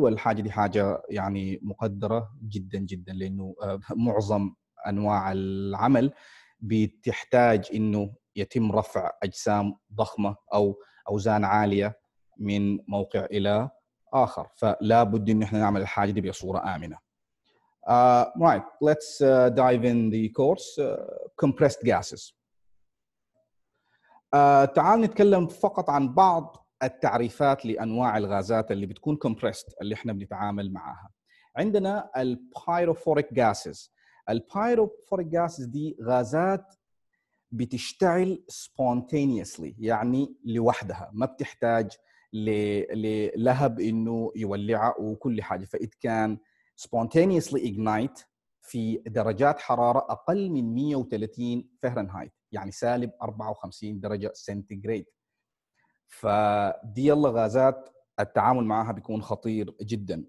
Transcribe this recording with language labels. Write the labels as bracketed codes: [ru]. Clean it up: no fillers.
[ar] والحاجة دي حاجة يعني مقدرة جدا جدا، لانه معظم أنواع العمل بتحتاج إنه يتم رفع أجسام ضخمة أو أوزان عالية من موقع إلى آخر، فلا بد إن إحنا نعمل الحاجة دي بصورة آمنة. [en] Right, let's dive in the course. Compressed gases. [ar] تعال نتكلم فقط عن بعض التعريفات لأنواع الغازات اللي بتكون compressed اللي إحنا بنتعامل معها. عندنا pyrophoric gases. البايروفوريك غازز دي غازات بتشتعل spontaneously، يعني لوحدها ما بتحتاج للهب انه يولعها وكل حاجة. فإذا كان [en] spontaneously ignite [ar] في درجات حرارة أقل من 130 فهرنهايت، يعني سالب 54 درجة سنتيغريد، فدي الله غازات التعامل معها بيكون خطير جدا.